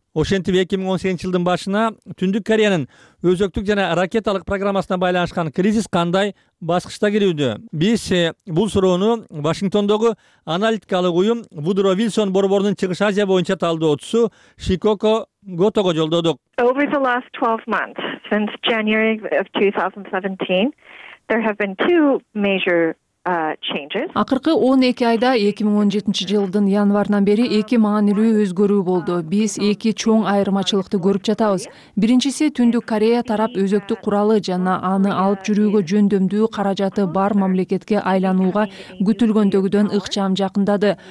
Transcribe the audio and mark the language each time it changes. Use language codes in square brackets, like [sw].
[ky] Ошентип 2018-жылдын башына Түндүк Кореянын өзөктүк жана ракеталык программасына байланышкан кризис кандай баскычта кирүүдө? Биз бул суроону Вашингтондогу аналитикалык уюм Вудро Вилсон борборунун Чыгыш Азия боюнча талдоочусу Шикоко Готого жолдодук. [en] Over the last 12 months, since January of 2017, there have been two major changes. [ky] Акыркы 12 айда 2017-жылдын январынан бери эки маанилүү өзгөрүү болду. Биз эки чоң айырмачылыкты көрүп жатабыз. Биринчиси, Түндүк Корея тарап өзөктүк куралы жана аны алып жүрүүгө жөндөмдүү каражаты бар мамлекетке айланууга күтүлгөндөгүдөн ыкчам жакындады.